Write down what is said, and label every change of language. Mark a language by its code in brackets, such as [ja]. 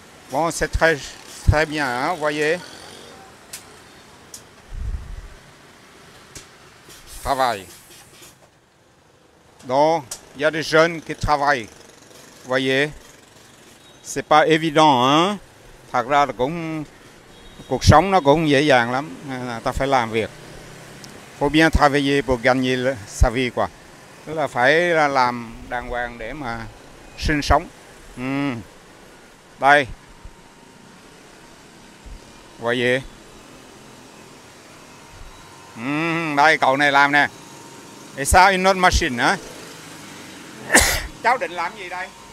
[fr] Bon, c'est très bien, hein, voyez. Travail. Donc, il y a des jeunes qui travaillent. Voyez, c'est pas évident, hein. [vi] Thật ra là cũng cuộc sống nó cũng dễ dàng lắm. Ta phải làm việc. [fr] Faut bien travailler pour gagner sa vie, quoi. [vi] Tức là phải làm đàng hoàng để mà sinh sống. Đây. [fr] Voyez. [vi] đây, cậu này làm nè. Thì sao Inot Machine hả? Cháu định làm gì đây?